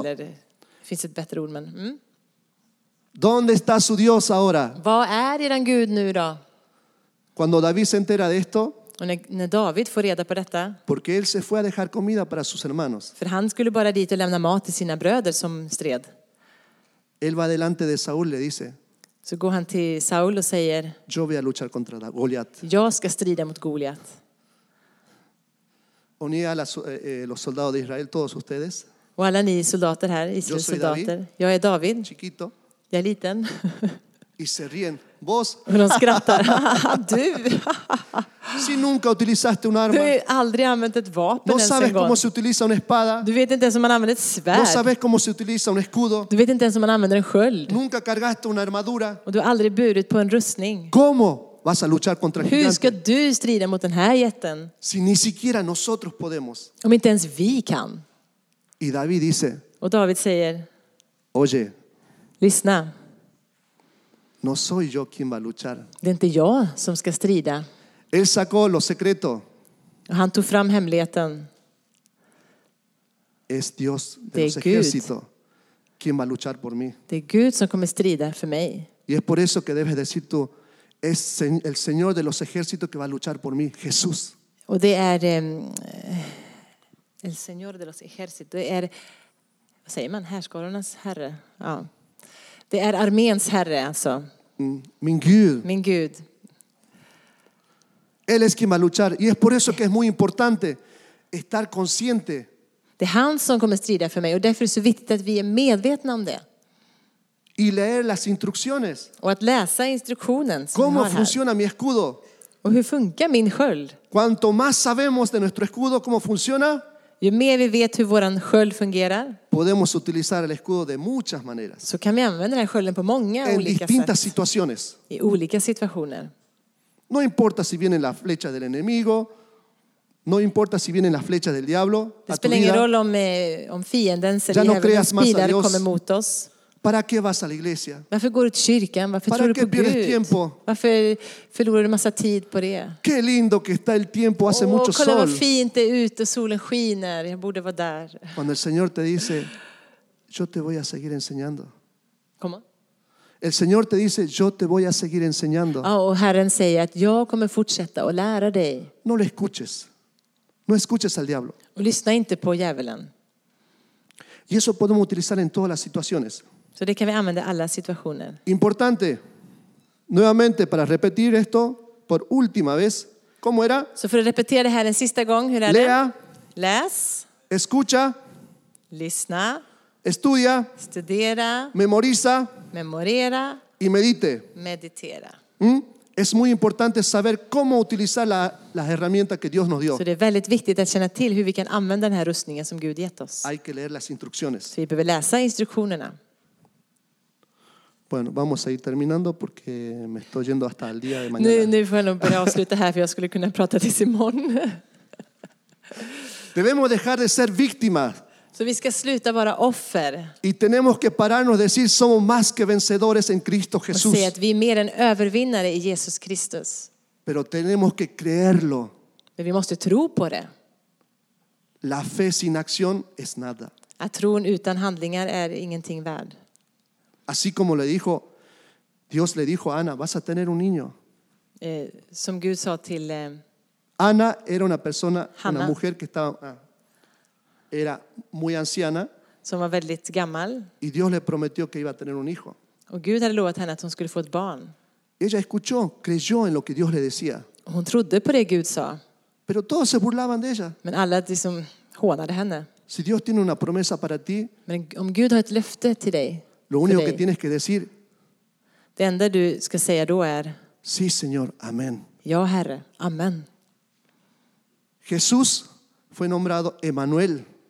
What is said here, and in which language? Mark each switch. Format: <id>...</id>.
<sv>Eller det finns ett bättre ord, men</sv> <es>¿Dónde está su Dios ahora?</es> <sv>Vad är eran Gud nu då?</sv> <es>Cuando David se entera de esto,</es> <sv>Och när David får reda på detta,</sv> <es>porque él se fue a dejar comida para sus hermanos.</es> <sv>För han skulle bara dit och lämna mat till sina bröder som stred.</sv> <es>Él va delante de Saúl, le dice.</es> <sv>Så går han till Saul och säger,</sv> <es>yo voy a luchar contra Goliat.</es> <sv>Jag ska strida mot Goliat.</sv> <es>Unía a los soldados de Israel todos ustedes.</es> <sv>Och alla ni soldater här, Israels soldater.</sv> <es>David.</es> <sv>Jag är David.</sv> <es>Chiquito.</es> <sv>Jag är liten.</sv> <es>Y se ríen. Vos.</es> <sv>Och de skrattar. Du.</sv> <es>Si nunca utilizaste un arma.</es> <sv>Du har aldrig använt ett vapen</sv> <es>no sabes cómo se utiliza una espada.</es> <sv>Du vet inte ens om man använder ett svärd.</sv> <es>No sabes cómo se utiliza un escudo.</es> <sv>Du vet inte ens om man använder en sköld.</sv> <es>Nunca cargaste una armadura.</es> <sv>Och du har aldrig burit på en rustning.</sv> <es>¿Cómo vas a luchar contra</es> <sv>Hur ska du strida mot den här jätten?</sv> <es>Si ni siquiera nosotros podemos.</es> <sv>Om inte ens vi kan.</sv> <es>Y David dice,</es> <sv>och David säger,</sv> <es>oye,</es> <sv>lyssna.</sv> <es>No soy yo quien va a luchar.</es> <sv>Det är inte jag som ska strida.</sv> <es>Él sacó lo secreto.</es> <sv>Han tog fram hemligheten.</sv> <es>Es Dios de los ejércitos quien va a luchar por mí.</es> <sv>Det är Gud som kommer strida för mig.</sv> <es>Y es por eso que debes decir tú, es el Señor de los ejércitos que va a luchar por mí, Jesús.</es> <sv>Och det är</sv> <es>el Señor de los ejércitos.</es> <sv>Det är, vad säger man, härskarornas herre. Ja. Det är arméns herre alltså. Min Gud. Min Gud.</sv> <es>Él es quien va a luchar y es por eso que es muy importante estar consciente.</es> <sv>Det är han som kommer strida för mig och därför är det så viktigt att vi är medvetna om det.</sv> <es>Y leer las instrucciones.</es> <sv>Och att läsa instruktionen.</sv> <es>¿Cómo funciona mi escudo?</es> <sv>Och hur funkar min sköld?</sv> <es>Cuanto más sabemos de nuestro escudo cómo funciona,</es> <sv>ju mer vi vet hur våran sköld fungerar,</sv> <es>podemos utilizar el escudo de muchas maneras.</es> <sv>Så kan vi använda den här skölden på många en olika</sv> <es>distintas</es> <sv>sätt.</sv> <es>Situaciones.</es> <sv>I olika situationer.</sv> <es>No importa si viene la flecha del enemigo, no importa si viene la flecha del diablo.</es> <sv>Det spelar ingen roll om fienden eller ja djävulens</sv> <es>no</es> <sv>pilar kommer mot oss.</sv> <es>¿Para qué vas a la iglesia?</es> <sv>Varför går du till kyrkan? Varför</sv> <es>¿Para</es> <sv>tror</sv> <es>qué</es> <sv>du på Gud?</sv> <es>Tiempo?</es> <sv>Varför förlorar du massa tid på det?</sv> <es>Qué lindo que está el tiempo, hace mucho</es> <sv>kolla</sv> <es>sol.</es> <sv>Vad fint det är ute, solen skiner. Jag borde vara där.</sv> <es>Cuando el Señor te dice, yo te voy a seguir enseñando. ¿Cómo? El Señor te dice, yo te voy a seguir enseñando.</es> <sv>Ja, och Herren säger att jag kommer fortsätta och lära dig.</sv> <es>No le escuches. No escuches al diablo.</es> <sv>Och lyssna inte på djävulen.</sv> <es>Y eso podemos utilizar en todas las situaciones.</es> <sv>Så det kan vi använda i alla situationer.</sv> <es>Importante. Nuevamente para repetir esto por última vez. ¿Cómo era?</es> <sv>Så för att repetera det här en sista gång, hur är</sv> <es>Lea,</es> <sv>det? Läs.</sv> <es>Escucha.</es> <sv>Lyssna.</sv> <es>Estudia.</es> <sv>Studera.</sv> <es>Memoriza.</es> <sv>Memorera.</sv> <es>Y medite.</es> <sv>Meditera. Mm?</sv> <es>Es muy importante saber cómo utilizar las herramientas que Dios nos dio.</es> <sv>Så det är väldigt viktigt att känna till hur vi kan använda den här rustningen som Gud gett oss.</sv> <es>Hay que leer las instrucciones.</es> <sv>Så vi behöver läsa instruktionerna.</sv> <es>Bueno, vamos a ir terminando porque me estoy yendo hasta el día de mañana.</es> <sv>Nu får jag nog börja avsluta här för jag skulle kunna prata till Simon.</sv> <es>Debemos dejar de ser víctimas.</es> <sv>Så vi ska sluta vara offer.</sv> <es>Y tenemos que pararnos de decir somos más que vencedores en Cristo Jesús.</es> <sv>Och se att vi är mer än övervinnare i Jesus Kristus.</sv> <es>Pero tenemos que creerlo.</es> <sv>Men vi måste tro på det.</sv> <es>La fe sin acción es nada.</es> <sv>Att tron utan handlingar är ingenting värd.</sv> <es>Así como le dijo, Dios le dijo a Ana, vas a tener un niño.</es> <sv>Som Gud sa till</sv> <es>Ana era una persona, Hanna, una mujer que estaba era muy anciana.</es> <sv>Som var väldigt gammal.</sv> <es>Y Dios le prometió que iba a tener un hijo.</es> <sv>Och Gud hade lovat henne att hon skulle få ett barn.</sv> <es>Ella escuchó, creyó en lo que Dios le decía.</es> <sv>Hon trodde på det Gud sa.</sv> <es>Pero todos se burlaban de ella.</es> <sv>Men alla liksom hånade henne.</sv> <es>Si Dios tiene una promesa para ti.</es> <sv>Men om Gud har ett löfte till dig.</sv> <es>Lo único que tienes que decir,</es> <sv>det enda du ska säga då är,</sv> <es>sí, señor, amén.</es> <sv>Ja, Herre, amen.</sv> <es>Jesús fue nombrado Emmanuel.</es>